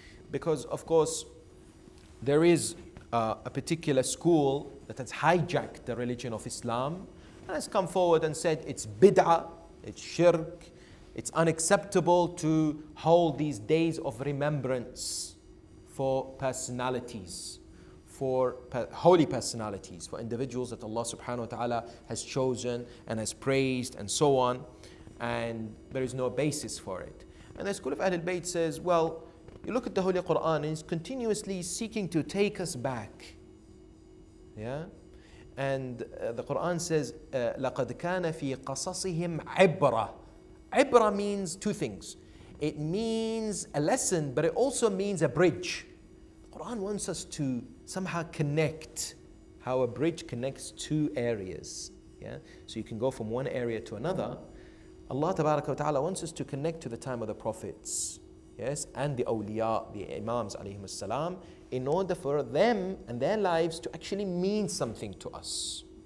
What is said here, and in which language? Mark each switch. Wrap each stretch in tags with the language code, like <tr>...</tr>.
<en>Because, of course, there is a particular school that has hijacked the religion of Islam and has come forward and said it's bid'ah, it's shirk, it's unacceptable to hold these days of remembrance for personalities, for holy personalities, for individuals that Allah subhanahu wa ta'ala has chosen and has praised and so on, and there is no basis for it. And the school of Ahlul Bayt says, well, you look at the Holy Quran and it's continuously seeking to take us back. Yeah? And the Quran says,</en> <ar>لَقَدْ كَانَ فِي قَصَصِهِمْ عِبْرَةً.</ar> <en>Ibra means two things. It means a lesson, but it also means a bridge. The Quran wants us to somehow connect how a bridge connects two areas. Yeah? So you can go from one area to another. Allah tabaraka wa ta'ala wants us to connect to the time of the prophets, yes, and the awliya, the imams alayhim as-salam, in order for them and their lives to actually mean something to us.</en>